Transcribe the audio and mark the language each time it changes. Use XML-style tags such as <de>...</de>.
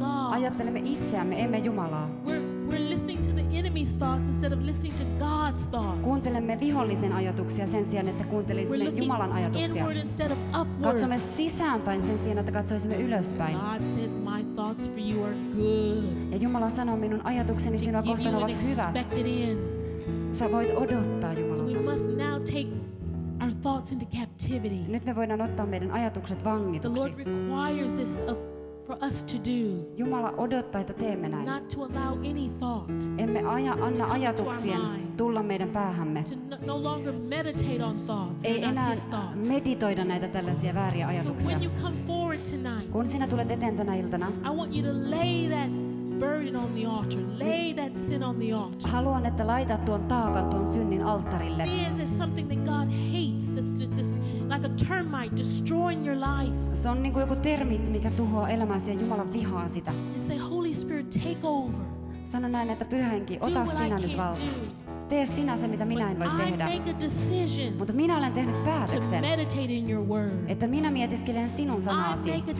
<fi>Ajattelemme itseämme, emme Jumalaa.</fi> <en>We're listening to the enemy's thoughts instead of listening to God's thoughts.</en> <fi>Kuuntelemme vihollisen ajatuksia sen sijaan, että kuuntelisimme Jumalan ajatuksia.</fi> <en>Inward instead of upward.</en> <fi>Katsomme sisäänpäin sen sijaan, että katsoisimme ylöspäin.</fi> <en>God says my thoughts for you are good.</en> <fi>Ja Jumala sanoo, minun ajatukseni sinua kohtaan ovat hyvät. Sä voit odottaa Jumalalta.</fi> <en>So we must now take our thoughts into captivity.</en> <fi>Nyt me voidaan ottaa meidän ajatukset vangituksi.</fi> <en>The Lord requires this of for us to do.</en> <fi>Jumala odottaa, että teemme näin.</fi> <en>Not to allow any thought.</en> <fi>Emme anna ajatuksien tulla meidän päähämme.</fi> <en>No longer meditate on thoughts.</en> <fi>Ei enää meditoida näitä tällaisia vääriä ajatuksia.</fi> <en>So when you come forward tonight.</en> <fi>Kun sinä tulet eteen tänä iltana.</fi> <en>I want you to lay that burden on the altar. Lay that sin on the altar.</en> <fi>Haluan, että laitat tuon taakan tuon synnin alttarille.</fi> <en>See, is there something that God hates that's this like a termite destroying your life?</en> <fi>Se on niin kuin joku termiitti, mikä tuhoaa elämäsi ja Jumala vihaa sitä.</fi> <en>And say, Holy Spirit, take over.</en> <fi>Sano näin, että Pyhä Henki, ota sinä nyt valta. Tee sinä se, mitä minä en voi tehdä. Mutta minä olen tehnyt päätöksen, että minä mietiskelen sinun sanasi.</fi>